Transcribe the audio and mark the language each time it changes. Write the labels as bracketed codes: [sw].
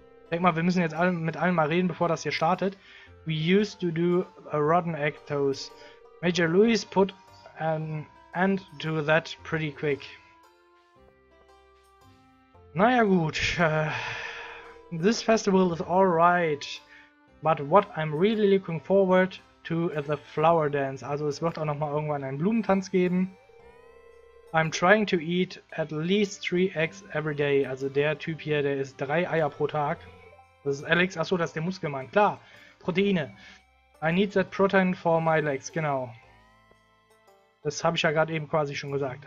[de] Denk mal, wir müssen jetzt mit allen mal reden, bevor das hier startet. [en] We used to do a rotten egg toast. Major Lewis put an end to that pretty quick. [de] Naja gut. [en] This festival is alright. But what I'm really looking forward to is the flower dance. [de] Also es wird auch nochmal irgendwann einen Blumentanz geben. [en] I'm trying to eat at least 3 eggs every day. [de] Also der Typ hier, der isst 3 Eier pro Tag. Das ist Alex. Achso, das ist der Muskelmann. Klar. Proteine. [en] I need that protein for my legs. [de] Genau. Das habe ich ja gerade eben quasi schon gesagt.